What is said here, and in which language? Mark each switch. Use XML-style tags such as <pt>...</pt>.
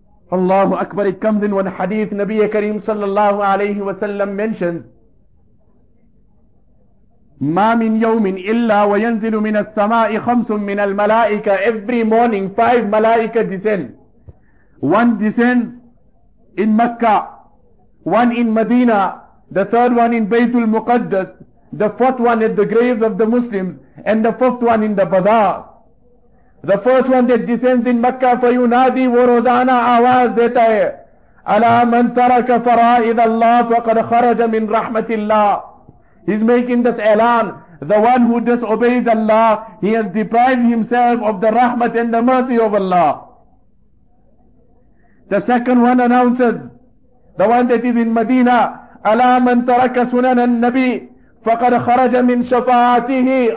<en>Allahu Akbar, it comes in one hadith, Nabi Kareem sallallahu alayhi wa sallam mentioned,</en> <ar>مَا مِنْ يَوْمٍ إِلَّا وَيَنْزِلُ مِنَ السَّمَاءِ خَمْسٌ مِنَ الْمَلَائِكَ.</ar> <en>Every morning, five malaika descend. One descend in Makkah, one in Medina, the third one in Baytul Muqaddas, the fourth one at the graves of the Muslims, and the fifth one in the Bazaar. The first one that descends in Makkah,</en> <ar>فَيُنَادِي</ar> <ur>وَرُزَانَا آوَازْ دَتَا هَيْ</ur> <ar>أَلَا مَنْ تَرَكَ فَرَائِذَ اللَّهِ فَقَدْ خَرَجَ مِنْ رَحْمَةِ اللَّهِ.</ar> <en>He's making this elan. The one who disobeys Allah, he has deprived himself of the rahmat and the mercy of Allah. The second one announces, the one that is in Medina,</en> <ar>أَلَا مَنْ تَرَكَ سُنَنَ النَّبِيِّ فَقَدْ خَرَجَ مِنْ شَفَاعَتِهِ.</ar>